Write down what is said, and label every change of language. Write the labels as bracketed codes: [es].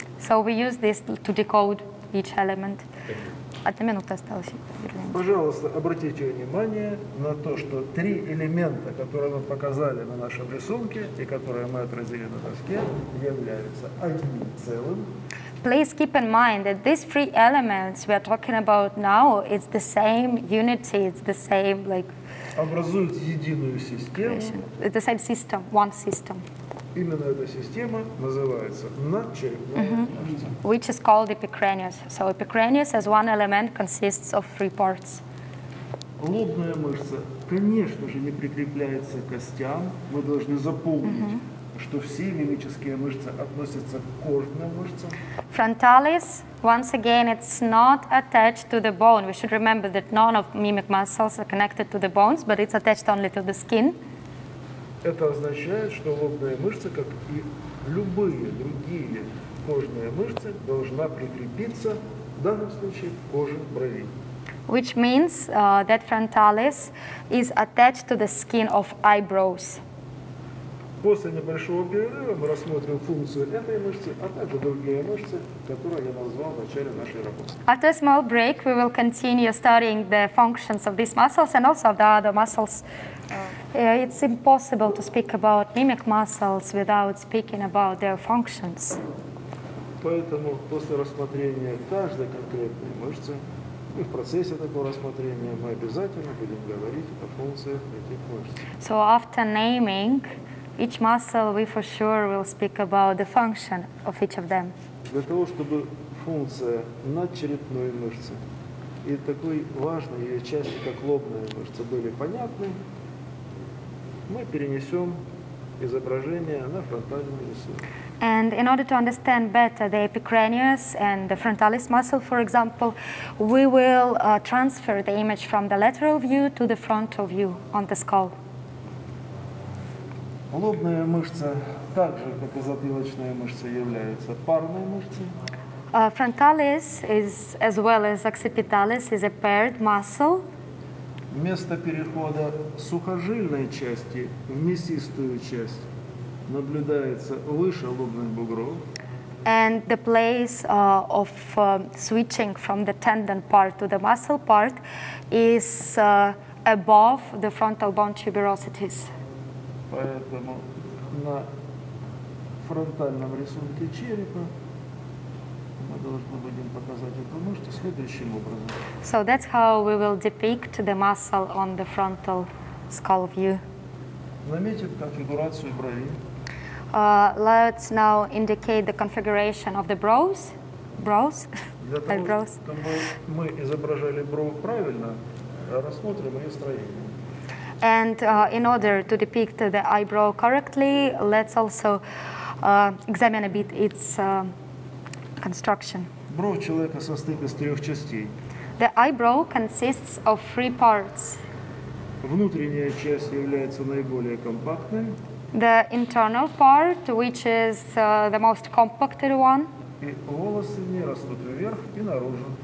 [en] So we use this to decode each element. [ru] Одна минута осталась. Пожалуйста, обратите внимание на то, что три элемента, которые мы показали на нашем рисунке и которые мы отразили на доске, являются одним целым. [en] Please keep in mind that these three elements we are talking about now, it's the same unity, it's the same, like... [ru] Образуют единую систему. [en] It's the same system, one system. [ru] Именно эта система называется надчерепная мышца. [en] Which is called epicranius. So epicranius as one element consists of three parts. [ru] Лобная мышца, конечно же, не прикрепляется к костям. Мы должны запомнить, что все лимбические мышцы относятся к кожным мышцам. [en] Frontalis, once again, it's not attached to the bone. We should remember that none of mimic muscles are connected to the bones, but it's attached only to the skin. [ru] Это означает, что лобная мышца, как и любые другие кожные мышцы, должна прикрепиться, в данном случае, к коже бровей. [en] Which means that frontalis is attached to the skin of eyebrows. [ru] После небольшого перерыва мы рассмотрим функцию этой мышцы, а также другие мышцы, которые я назвал в начале нашей работы. [en] After a small break, we will continue studying the functions of these muscles and also of the other muscles. It's impossible to speak about mimic muscles without speaking about their functions. [ru] Поэтому после рассмотрения каждой конкретной мышцы и в процессе такого рассмотрения мы обязательно будем говорить о функциях этих мышц. [en] So after naming each muscle, we for sure will speak about the function of each of them. [ru] Для того, чтобы функция надчерепной мышцы и такой важной ее части, как лобная мышца, были понятны, мы перенесем изображение на фронтальный рисунок. [en] And in order to understand better the epicranius and the frontalis muscle, for example, we will transfer the image from the lateral view to the frontal view on the skull. [ru] Лобная мышца, так же как и затылочная мышца, является парной мышцей. [en] Frontalis is, as well as occipitalis, is a paired muscle. [ru] Место перехода сухожильной части в мясистую часть наблюдается выше лобных бугров. [en] And the place of switching from the tendon part to the muscle part is above the frontal bone tuberosities. [ru] Поэтому на фронтальном рисунке черепа мы должны будем показать эту мышцу следующим образом. [en] So that's how we will depict the muscle on the frontal skull view. [ru] Наметим конфигурацию бровей. [en] Let's now indicate the configuration of the brows. [ru] Для того, чтобы мы изображали бровь правильно, рассмотрим ее строение. [en] And in order to depict the eyebrow correctly, let's also examine a bit its construction. [ru] Бровь человека состоит из трех частей. [en] The eyebrow consists of three parts. [ru] Внутренняя часть является наиболее компактной. [en] The internal part, which is the most compacted one. [ru] И волосы не растут вверх и наружу.